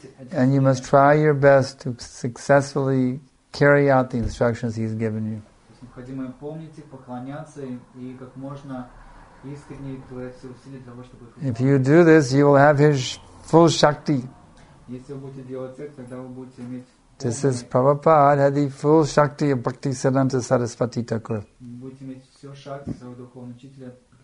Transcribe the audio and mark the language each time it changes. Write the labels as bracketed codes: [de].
[en] And you must try your best to successfully carry out the instructions he's given you. [ru] Необходимо помнить их, поклоняться и как можно искренне делать все усилия для того, чтобы. [en] If you do this, you will have his full shakti. [ru] Если вы будете делать это, тогда вы будете иметь. [en] This is Prabhupada had the full shakti of Bhakti Siddhanta Sarasvati Thakur. [ru] Будете иметь всю шакти своего духовного учителя.